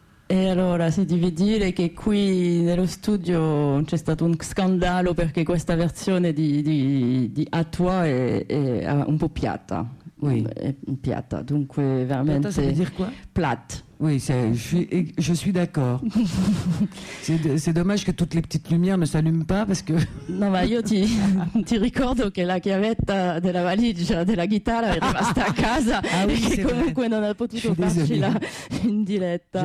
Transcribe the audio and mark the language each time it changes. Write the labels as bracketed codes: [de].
[it] E allora si deve dire che qui nello studio c'è stato un scandalo perché questa versione di A Toi è un po' piatta. [fr] Oui. [it] È piatta, dunque veramente. [fr] Piatta, ça veut dire quoi? Plate. Oui, je suis d'accord. C'est dommage que toutes les petites lumières ne s'allument pas parce que. [it] Non, ma io ti ricordo che la chiavetta della valigia della chitarra è rimasta a casa. [fr] Ah, oui, [it] e che [fr] vrai. [it] Comunque non ha potuto farci la in diretta.